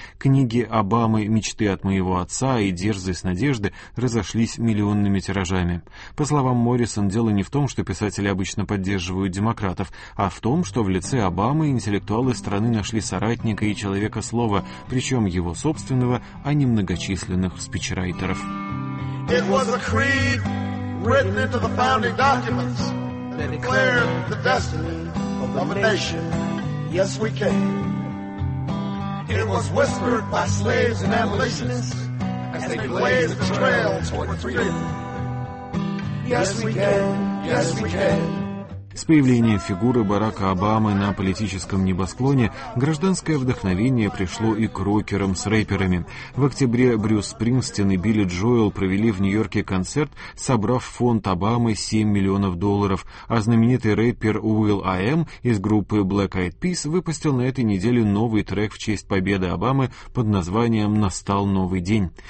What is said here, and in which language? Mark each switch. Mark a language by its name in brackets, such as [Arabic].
[Russian] Книги Обамы «Мечты от моего отца» и «Дерзость надежды» разошлись миллионными тиражами. По словам Моррисон, дело не в том, что писатели обычно поддерживают демократов, а в том, что в лице Обамы интеллектуалы страны нашли соратника и человека слова, причем его собственного, а не многочисленных спичрайтеров. [English] It was a creed written into the founding documents that declared the destiny of the nation. Yes, we can. It was whispered by slaves and abolitionists as they blazed the trail toward freedom. Yes, we can. Yes, we can. [Russian] С появлением фигуры Барака Обамы на политическом небосклоне гражданское вдохновение пришло и к рокерам с рэперами. В октябре Брюс Спрингстин и Билли Джоэл провели в Нью-Йорке концерт, собрав фонд Обамы 7 миллионов долларов, а знаменитый рэпер Will.i.am из группы Black Eyed Peas выпустил на этой неделе новый трек в честь победы Обамы под названием «Настал новый день».